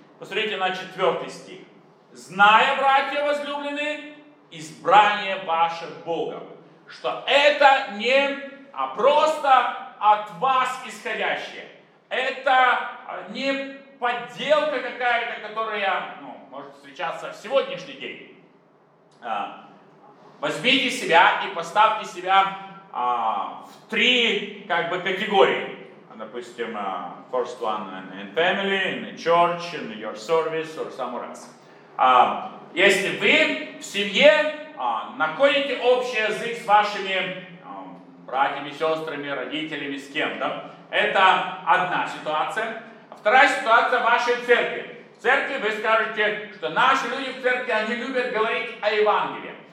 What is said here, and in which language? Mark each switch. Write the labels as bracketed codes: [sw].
[ru] Посмотрите на 4 стих. «Зная, братья возлюбленные, избрание ваше Богом, что это не просто от вас исходящее, это не подделка какая-то, которая может встречаться в сегодняшний день». Возьмите себя и поставьте себя в три категории. Допустим, [en] first one in family, in the church, in your service, or somewhere else. [ru] Если вы в семье находите общий язык с вашими братьями, сестрами, родителями, с кем-то, это одна ситуация. Вторая ситуация в вашей церкви. В церкви вы скажете, что наши люди в церкви, они любят говорить о Евангелии.